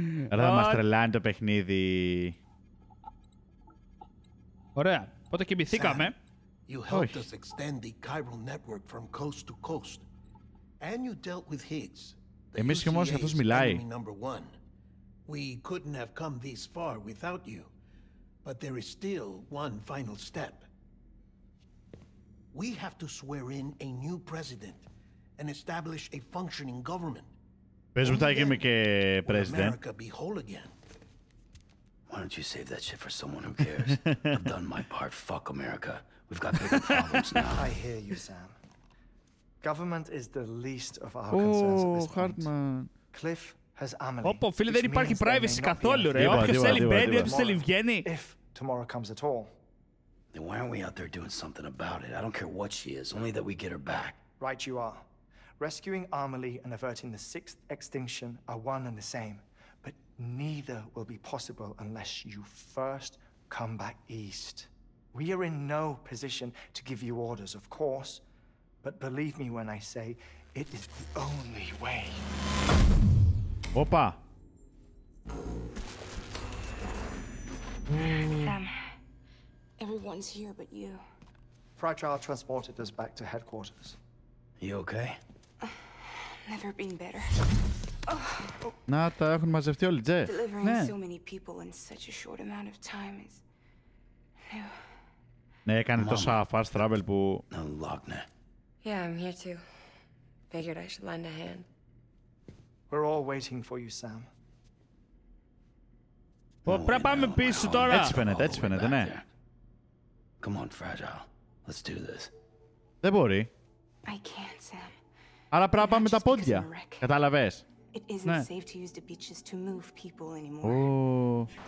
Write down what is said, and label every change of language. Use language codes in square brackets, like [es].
[el] Ρε, μας τρελάνε το παιχνίδι. Ωραία. Πότε κοιμηθήκαμε. [en] You helped us extend the chiral network from coast to coast. And you dealt with Higgs. [el] Εμείς κι όμως αυτός μιλάει. [en] We couldn't have come this far without you. But there is still one final step. We have to swear in a new president and establish a functioning government. [el] Πες μου θα γίνουμε και president. [en] America be whole again. Why don't you save that shit for someone who cares? I've done my part, fuck America. We've got bigger problems now. I hear you, Sam. Government is the least of our concerns at this point. Cliff has Amelie. [el] Όπω φίλε, δεν υπάρχει privacy καθόλου, ρε. Όποιος θέλει μπαίνει, όποιος θέλει βγαίνει. [en] If tomorrow comes at all. Then why aren't we out there doing something about it? I don't care what she is, only that we get her back. Right you are. Rescuing Amelie and averting the sixth extinction are one and the same. But neither will be possible unless you first come back east. We are in no position to give you orders, of course. But believe me when I say, it is the only way. Opa! Sam, everyone's here but you. Fragile transported us back to headquarters. You okay? Never been better. [el] Να, τα έχουν μαζευτεί όλοι, Τζε. [en] Delivering so many people in such a short amount of time is... [el] Ναι, έκανε τόσα fast travel που... Λόγνε. [en] Yeah, I'm here too. Figured I should lend a hand. We're all waiting for you, Sam. [el] Πρέπει να πάμε πίσω τώρα. Έτσι φαίνεται, ναι. [en] Come on, Fragile. Let's do this. [el] Δεν μπορεί. [en] I can't, Sam. [el] Άρα πρέπει να πάμε τα πόδια. Κατάλαβες. [en] It isn't safe to use the beaches to move people anymore.